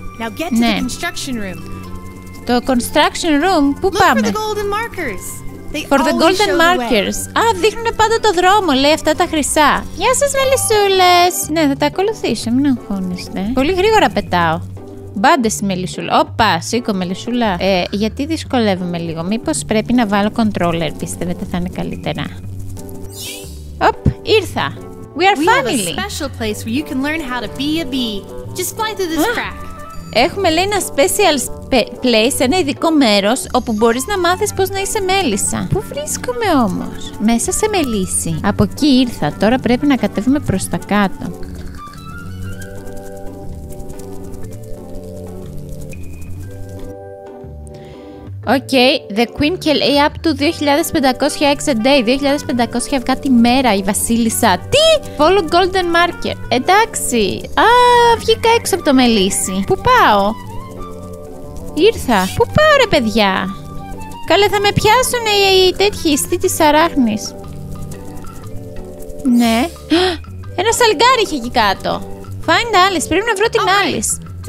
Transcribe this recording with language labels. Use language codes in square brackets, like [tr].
[en] Now get to the construction room. [el] Το construction room. Πού πάμε? [en] Look for the golden markers. For the golden markers. [el] Α, δείχνουν πάντα το δρόμο, λέει, αυτά τα χρυσά. Γεια σας, μελισσούλες. Ναι, θα τα ακολουθήσω, μην αγχώνεστε. Πολύ γρήγορα πετάω. Μπάντε στη μελισσούλα. Όπα, σήκω, μελισσούλα. Γιατί δυσκολεύομαι λίγο. Μήπως πρέπει να βάλω controller, πιστεύετε θα είναι καλύτερα. Οπ, ήρθα. [en] We are family. We have a special place where you can learn how to be a bee. Just fly through this crack. [el] Έχουμε, λέει, ένα special place, ένα ειδικό μέρος, όπου μπορείς να μάθεις πώς να είσαι μέλισσα. Πού βρίσκομαι όμως? Μέσα σε μελίσσι. Από εκεί ήρθα, τώρα πρέπει να κατέβουμε προς τα κάτω. [en] Okay, the queen can lay up to 2500 [el] κάτι μέρα η βασίλισσα. [en] Τι! Follow golden marker. Εντάξει. [el] Α, βγήκα έξω από το μελίσι. Πού πάω? Ήρθα. Πού πάω ρε παιδιά? Καλέ, θα με πιάσουν οι τέτοιοι ιστοί της αράχνης. Ναι. Ένα σαλγκάρι είχε εκεί κάτω. [en] Find Alice, [el] πρέπει να βρω την Alice.